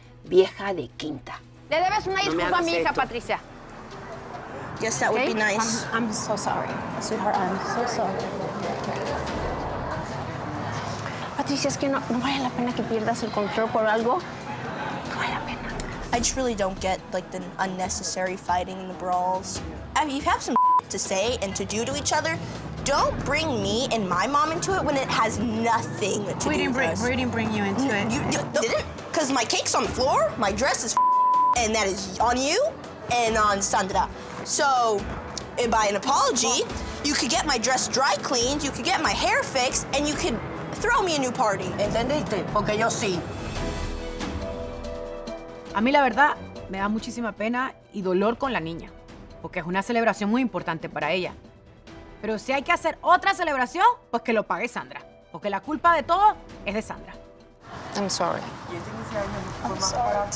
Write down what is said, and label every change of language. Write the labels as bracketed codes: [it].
[es] Vieja de quinta. Le debes una disculpa a mi hija, Patricia. [en] Yes, that would be nice. I'm so sorry, sweetheart. I'm so sorry. [es] Patricia, es que no vale la pena que pierdas el control por algo. No vale la pena. [en] I just really don't get like the unnecessary fighting and the brawls. I mean, you have some to say and to do to each other. Don't bring me and my mom into it when it has nothing to do with us. We didn't bring you into it. You didn't? Because my cake's on the floor, my dress is and that is on you and on Sandra. So, and by an apology, you could get my dress dry cleaned, you could get my hair fixed, and you could throw me a new party. [es] ¿Entendiste? Porque yo sí. A mí la verdad, me da muchísima pena y dolor con la niña, porque es una celebración muy importante para ella. Pero si hay que hacer otra celebración, pues que lo pague Sandra. Porque la culpa de todo es de Sandra. [en] I'm sorry. I'm sorry.